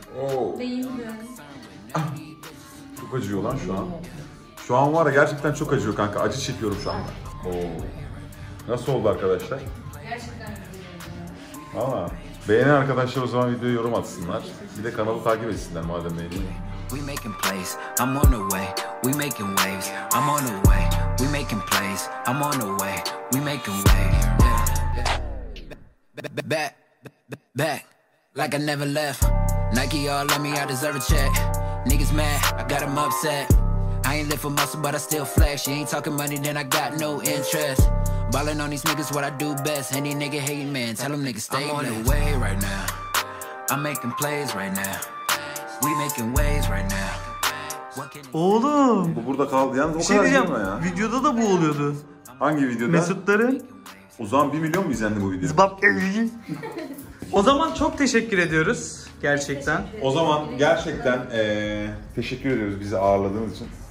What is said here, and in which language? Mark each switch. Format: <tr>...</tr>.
<tr>Oo. Değildi. Ah. Çok acıyor lan şu an. Şu an var ya, gerçekten çok acıyor kanka. Acı çekiyorum şu anda. Oo. Nasıl oldu arkadaşlar? Gerçekten acıyor. Valla. Beğenin arkadaşlar o zaman videoyu yorum atsınlar. Bir de kanalı takip etsinler madem beğeniyor.</tr> <en>We making plays, I'm on the way. We making waves, I'm on the way. We making plays, I'm on the way. We making waves, yeah. Back, back, like I never left. Nike all on me, I deserve a check. Niggas mad, I got them upset. I ain't lift a muscle, but I still flex. You ain't talking money, then I got no interest. Ballin' on these niggas, what I do best. Any nigga hate, man, tell them niggas stay. I'm on the way right now, I'm making plays right now. We making waves right now.</en> <tr>Oğlum. Bu burada kaldı yalnız, o şey kadar yapma ya. Videoda da bu oluyordu. Hangi videoda? Mesutların. O zaman 1 milyon mu izlendi bu video? Zıbap. O zaman çok teşekkür ediyoruz. Gerçekten. O zaman gerçekten teşekkür ediyoruz bizi ağırladığınız için.</tr>